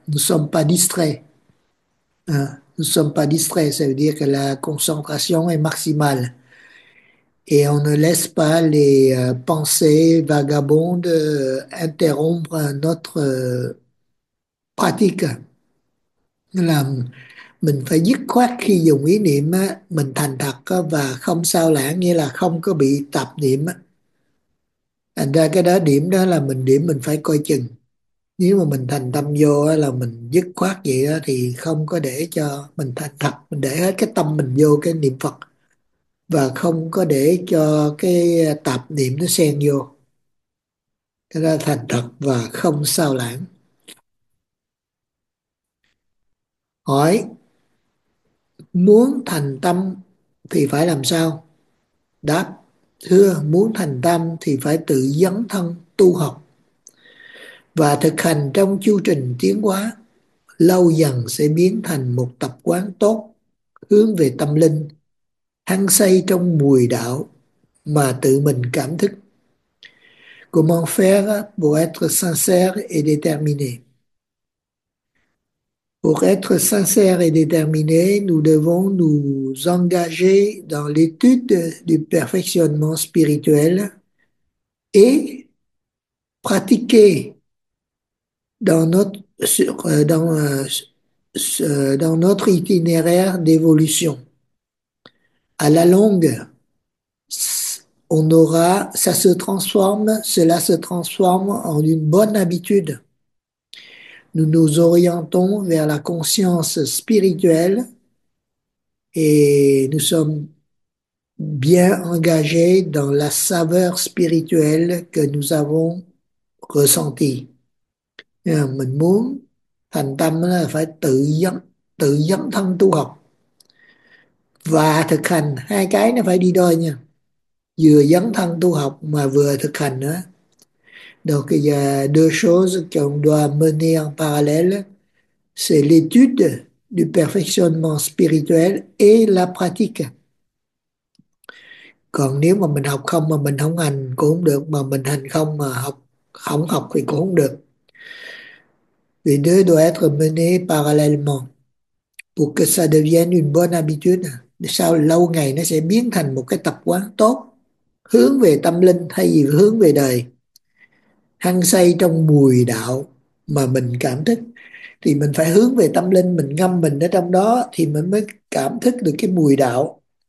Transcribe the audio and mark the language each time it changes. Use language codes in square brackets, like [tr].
[fr] Nous ne sommes pas distraits. Hein? Nous ne sommes pas distraits. Ça veut dire que la concentration est maximale. Et on ne laisse pas les pensées vagabondes interrompre notre pratique. [vi] Là, mình phải dứt khoát khi dùng ý niệm á, mình thành thật á, và không sao lãng, nghĩa là không có bị tạp niệm á. Thành ra cái đó điểm đó là mình điểm mình phải coi chừng. Nếu mà mình thành tâm vô á, là mình dứt khoát vậy á, thì không có để cho mình thành thật, mình để hết cái tâm mình vô cái niệm Phật và không có để cho cái tạp niệm nó xen vô. Cái đó thành thật và không sao lãng. Hỏi: muốn thành tâm thì phải làm sao? Đáp: thưa, muốn thành tâm thì phải tự dấn thân tu học và thực hành trong chu trình tiến hóa, lâu dần sẽ biến thành một tập quán tốt, hướng về tâm linh, hăng say trong bùi đạo mà tự mình cảm thức. [fr] Comment faire pour être sincère et déterminé? Pour être sincère et déterminé, nous devons nous engager dans l'étude du perfectionnement spirituel et pratiquer dans notre itinéraire d'évolution. À la longue, ça se transforme, cela se transforme en une bonne habitude. Nous nous orientons vers la conscience spirituelle et nous sommes bien engagés dans la saveur spirituelle que nous avons ressentie. [vi] Mình muốn thành tâm là phải tự dấn thân tu học và thực hành. Hai cái nó phải đi đôi nha. Vừa dấn thân tu học mà vừa thực hành nữa. [fr] Donc, il y a deux choses qu'on doit mener en parallèle. C'est l'étude du perfectionnement spirituel et la pratique. [vi] Còn nếu mà mình học không mà mình không hành cũng không được, mà mình hành không mà học không học thì cũng không được. [fr] Les deux doivent être menés parallèlement pour que ça devienne une bonne habitude. [vi] Sau lâu ngày nó sẽ biến thành một cái tập quán tốt, hướng về tâm linh thay vì hướng về đời. Hăng say trong bùi đạo mà mình cảm thức, thì mình phải hướng về tâm linh, mình ngâm mình ở trong đó thì mình mới cảm thức được cái bùi đạo.